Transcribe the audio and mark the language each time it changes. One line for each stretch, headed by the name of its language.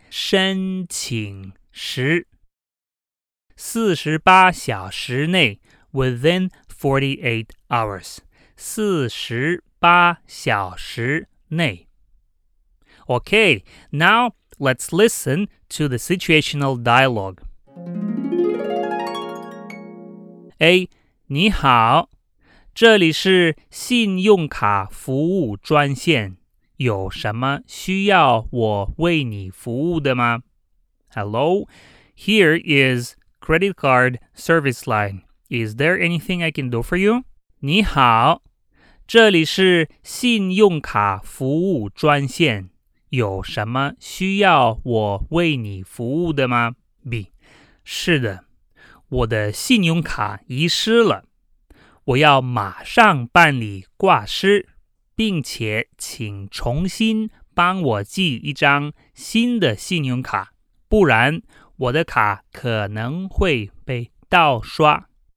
Chinese: 申请时，四十八小时内
English: within 48 hours.
Chinese: 四十八小时内。
English: Okay, now let's listen to the situational dialogue.
Chinese: A, 你好，这里是信用卡服务专线，有什么需要我为你服务的吗？
English: Hello, here is credit card service line. Is there anything I can do for you?
Chinese: 你好，这里是信用卡服务专线，有什么需要我为你服务的吗？ B, 是的。我的信用卡遗失了，我要马上办理挂失，并且请重新帮我寄一张新的信用卡，不然我的卡可能会被盗刷。